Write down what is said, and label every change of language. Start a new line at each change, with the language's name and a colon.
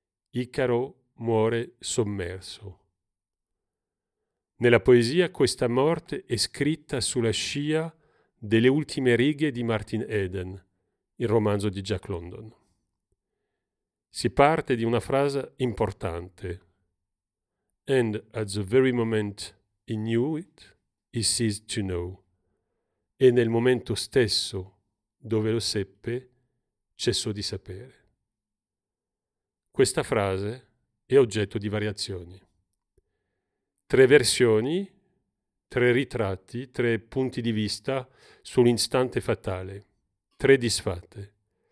Italian: Icaro muore sommerso. Nella poesia questa morte è scritta sulla scia delle ultime righe di Martin Eden, il romanzo di Jack London. Si parte di una frase importante.
English: And at the very moment he knew it, he ceased to know.
Italian: E nel momento stesso dove lo seppe, cessò di sapere. Questa frase è oggetto di variazioni. Tre versioni, tre ritratti, tre punti di vista sull'istante fatale, tre disfatte.